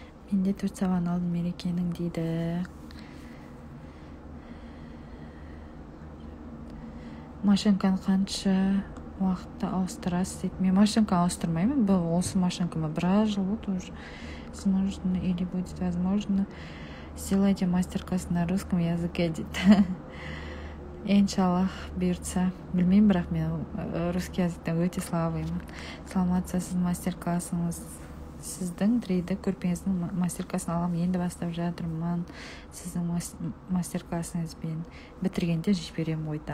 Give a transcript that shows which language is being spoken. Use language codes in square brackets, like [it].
[kk] Менде 4 сабан алдым мерекенің дейді. Машинканы қанша уақытта ауыстырасыз дейді. Мен машинканы ауыстырмаймын. Бұл осы машинкама біраз жыл болды уже. [ru] Возможно, или будет возможно. Сделайте мастер-класс на русском языке, дейді. [kk] Иншаллах бұйыртса. Білмеймін, бірақ мен русский языктен өте славымын. Саламатсыз, сіз мастер-классыңыз. Сіздің 3D көрпеңіздің мастер-классын алам, енді бастап жатырмын. Сіздің мастер-классыңыз бен бітіргенде жіберем ойды.